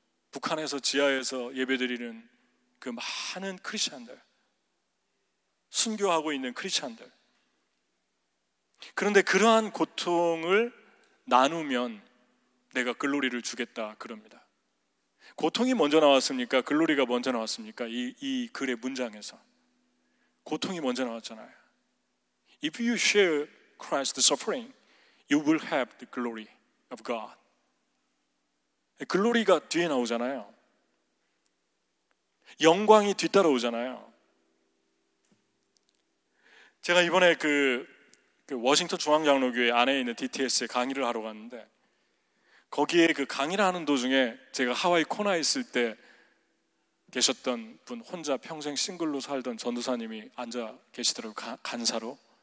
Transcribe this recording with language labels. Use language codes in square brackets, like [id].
[ko] 북한에서 지하에서 예배드리는 그 많은 크리스찬들, 순교하고 있는 크리스찬들. 그런데 그러한 고통을 나누면 내가 글로리를 주겠다 그럽니다. 고통이 먼저 나왔습니까? 글로리가 먼저 나왔습니까? 이 글의 문장에서 고통이 먼저 나왔잖아요. [en] If you share Christ's suffering, you will have the glory of God. [ko] 글로리가 뒤에 나오잖아요. 영광이 뒤따라오잖아요. 제가 이번에 그 워싱턴 중앙장로교회 안에 있는 DTS에 강의를 하러 갔는데, 거기에 그 강의를 하는 도중에 제가 하와이 코나에 있을 때 계셨던 분, 혼자 평생 싱글로 살던 전도사님이 앉아 계시더라고요. 간사로.